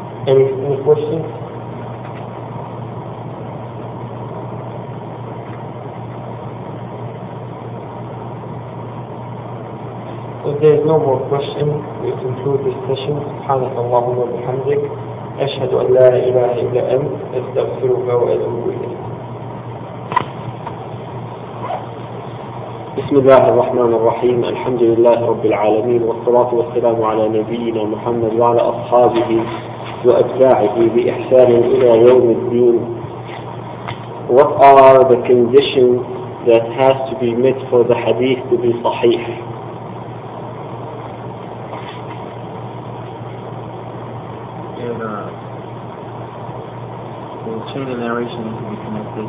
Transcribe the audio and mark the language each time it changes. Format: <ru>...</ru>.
<en>Any questions? If there is no more question, we conclude this session.</en> <ar>سبحانك اللهم وبحمدك أشهد أن لا إله إلا أنت أستغفرك وأتوب إليك. بسم الله الرحمن الرحيم. الحمد لله رب العالمين والصلاة والسلام على نبينا محمد وعلى أصحابه وأتباعه بإحسان إلى يوم الدين.</ar> <en>What are the conditions that has to be met for the hadith to be صحيح? Chain of narration has to be connected.</en>